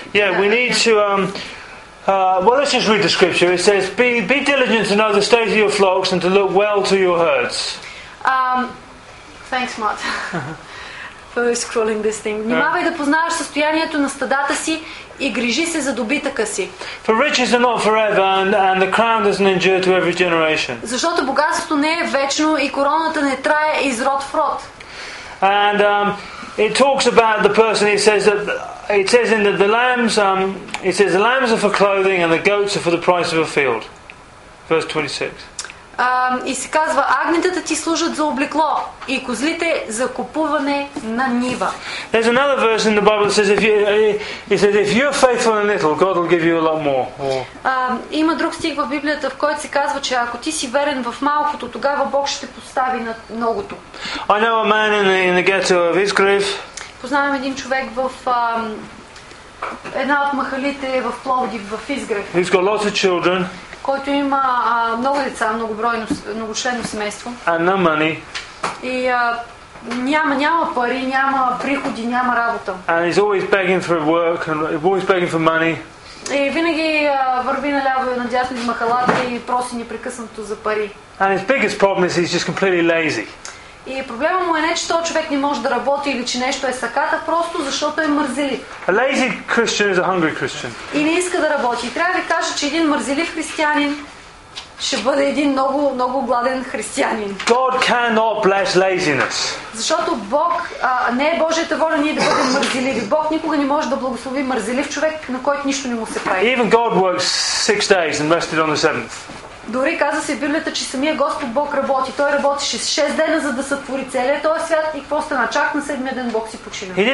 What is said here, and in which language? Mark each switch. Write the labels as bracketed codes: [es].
[en] Let's just read the scripture. It says, "Be diligent to know the state of your flocks and to look well to your herds." Thanks, Matt. Scrolling this thing. [bg] Внимавай да познаваш състоянието на стадата си и грижи се за добитъка си. [en] For riches are not forever, and the crown doesn't endure to every generation. [bg] Защото богатството не е вечно и короната не трае из род в род. [en] And it talks about the person. It says the lambs are for clothing and the goats are for the price of a field. Verse 26. [bg] И се казва, агнетата ти служат за облекло и козлите за купуване на нива. [en] There's another verse in the Bible that says if you're faithful in little, God will give you a lot more. [bg] Има друг стих в Библията, в който се казва, че ако ти си верен в малкото, тогава Бог ще постави на многото. [en] I know a man in the ghetto of Izgrif. [bg] Познавам един човек в една от махалите в Пловдив, в Изгрев. [en] He's got lots of children. [bg] Който има много деца, многочленно семейство. [en] And no money. [bg] И няма пари, няма приходи, няма работа. [en] And he's always begging for work and always begging for money. [bg] И винаги върви наляво и надясно из махалата и проси непрекъснато за пари. [en] And his biggest problem is he's just completely lazy. [bg] И проблема му е не, че този човек не може да работи или че нещо е саката, просто защото е мързелив. [en] A lazy Christian is a hungry Christian. [bg] И не иска да работи. И трябва да ви кажа, че един мързелив християнин ще бъде един много, много гладен християнин. [en] God cannot bless laziness. [bg] Защото Бог, не е Божията воля ние да бъдем мързеливи. Бог никога не може да благослови мързелив човек, на който нищо не му се прави. [en] Even God works 6 days and rested on the 7th. [bg] Дори казва се в Библията, че самия Господ Бог работи. Той работеше 6 дена, за да сътвори целия този свят и какво стана? Чак на седмия ден Бог си почина.